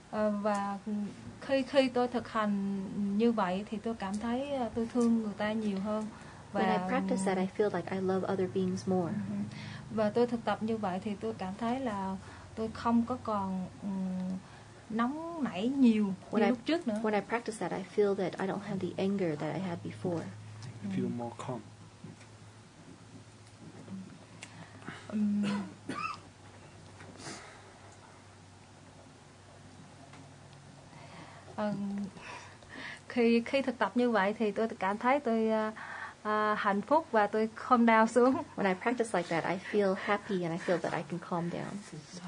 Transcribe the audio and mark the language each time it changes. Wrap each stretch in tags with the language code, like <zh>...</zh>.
<vi>Và khi tôi thực hành như vậy thì tôi cảm thấy tôi thương người ta nhiều hơn.</vi> <en>Và when I practice that, I feel like I love other beings more.</en> <vi>Và tôi thực tập như vậy thì tôi cảm thấy là tôi không có còn nóng nảy nhiều như lúc trước nữa.</vi> <en>When I practice that, I feel that I don't have the anger that I had before. I feel more calm.</en> <vi>Khi thực tập như vậy thì tôi cảm thấy tôi hạnh phúc và tôi</vi> <en>calm down</en> <vi>xuống.</vi> <en>When I practice like that, I feel happy and I feel that I can calm down.</en>